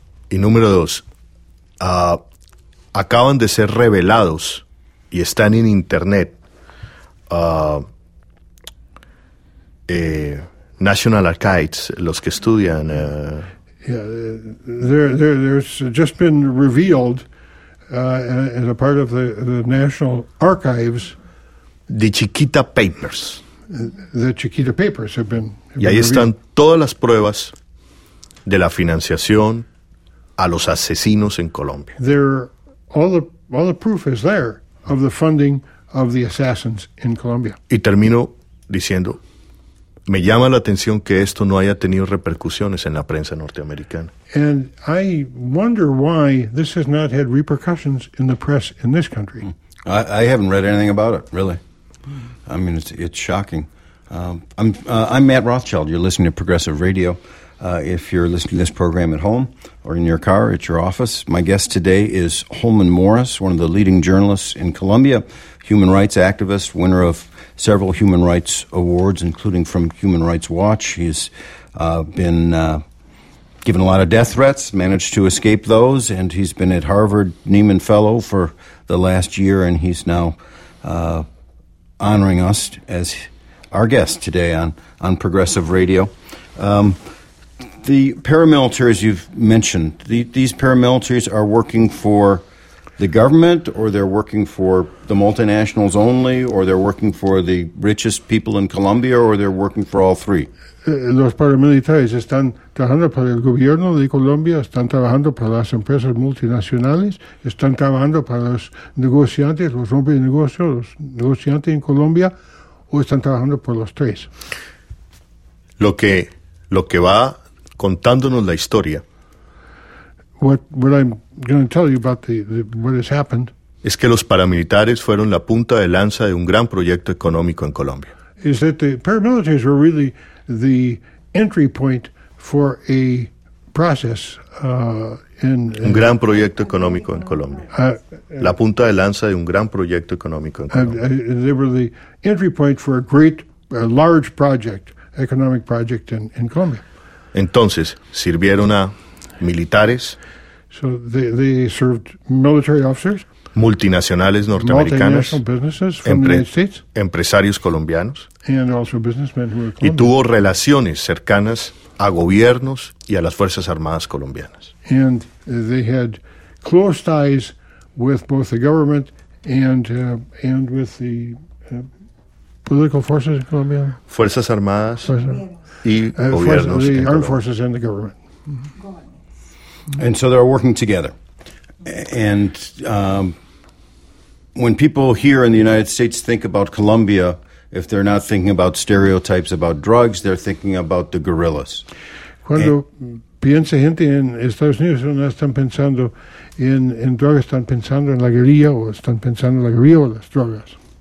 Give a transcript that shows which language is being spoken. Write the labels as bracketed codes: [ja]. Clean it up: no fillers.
[es] Y número dos, acaban de ser revelados y están en internet National Archives, los que estudian... [en] There's just been revealed as a part of the National Archives. The Chiquita Papers. The Chiquita Papers have been [es] y ahí están todas las pruebas de la financiación a los asesinos en Colombia. [en] All the proof is there of the funding of the assassins in Colombia. [es] Y termino diciendo... Me llama la atención que esto no haya tenido repercusiones en la prensa norteamericana. [en] And I wonder why this has not had repercussions in the press in this country. I haven't read anything about it, really. I mean, it's shocking. I'm Matt Rothschild. You're listening to Progressive Radio. if you're listening to this program at home or in your car or at your office. My guest today is Holman Morris, one of the leading journalists in Colombia, human rights activist, winner of several human rights awards, including from Human Rights Watch. He's been given a lot of death threats, managed to escape those, and he's been at Harvard Nieman Fellow for the last year, and he's now honoring us as our guest today on Progressive Radio. The paramilitaries you've mentioned, these paramilitaries are working for the government, or they're working for the multinationals only, or they're working for the richest people in Colombia, or they're working for all three? [es] Los paramilitares están trabajando para el gobierno de Colombia, están trabajando para las empresas multinacionales, están trabajando para los negociantes, los hombres de negocio, los negociantes en Colombia, o están trabajando por los tres. Lo que va contándonos la historia. [en] What I'm going to tell you about what has happened [es] es que los paramilitares fueron la punta de lanza de un gran proyecto económico en Colombia. [en] Is that the paramilitaries were really the entry point for a process in [es] un gran proyecto económico en Colombia. La punta de lanza de un gran proyecto económico en Colombia. [en] They were the entry point for a great, a large project, economic project in Colombia. [es] Entonces, sirvieron a militares. [en] So they served military officers. [es] Multinacionales norteamericanas. [en] Multinational businesses from the United States. [es] Empresarios colombianos. [en] And also businessmen who were Colombian. [es] Y tuvo relaciones cercanas a gobiernos y a las Fuerzas Armadas colombianas. [en] And they had close ties with both the government and with the political forces in Colombia. [es] Fuerzas Armadas. Y [en] the armed forces and the government. Mm-hmm. And so they're working together. And when people here in the United States think about Colombia, if they're not thinking about stereotypes about drugs, they're thinking about the guerrillas. [es] Cuando piensa gente en Estados Unidos, no están pensando en drogas, están pensando en la guerrilla, o están pensando en la guerrilla o las drogas.